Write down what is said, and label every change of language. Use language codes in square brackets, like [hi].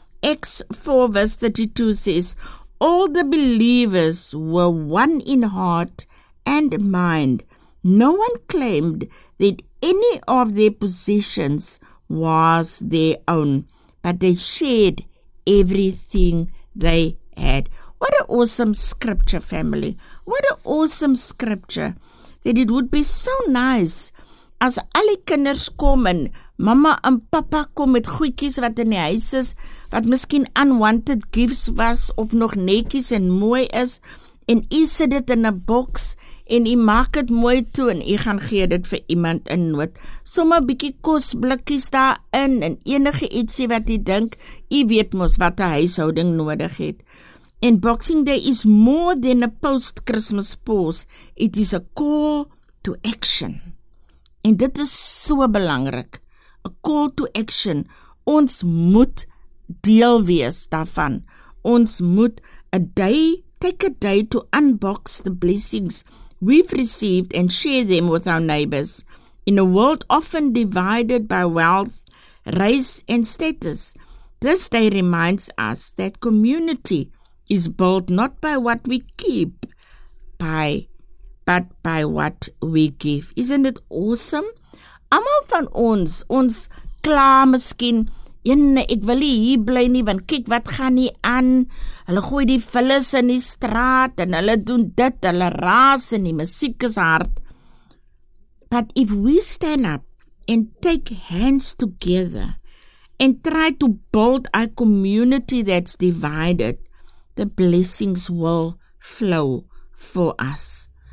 [en] Acts 4 verse 32 says, all the believers were one in heart and mind. No one claimed that any of their possessions was their own, but they shared everything they had. What an awesome scripture, family. What an awesome scripture. [af] That it would be so nice as alle kinders kom en mama en papa kom met goedjies wat in die huis is, wat miskien [en] unwanted gifts [af] was of nog netjies en mooi is, en jy sit dit in 'n box en jy maak het mooi toe en jy gaan gee dit vir iemand in nood. Sommige bietjie kosblikkies daarin en enige ietsie wat jy dink, jy weet mos wat 'n huishouding nodig het. [en] En Boxing Day is more than a post-Christmas pause. It is a call to action. [af] En dit is so belangrik. [en] A call to action. [af] Ons moet deel wees daarvan. Ons moet [en] take a day to unbox the blessings we've received and share them with our neighbors. In a world often divided by wealth, race and status, this day reminds us that community is built not by what we keep, but by what we give. Isn't it awesome? [af] Almal van ons kla miskien, ek wil nie hier bly nie, want kyk wat gaan nie aan, hulle gooi die vullis in die straat, en hulle doen dit, hulle raas in die musiek is hard. [en] But if we stand up and take hands together and try to build a community that's divided, the blessings will flow for us.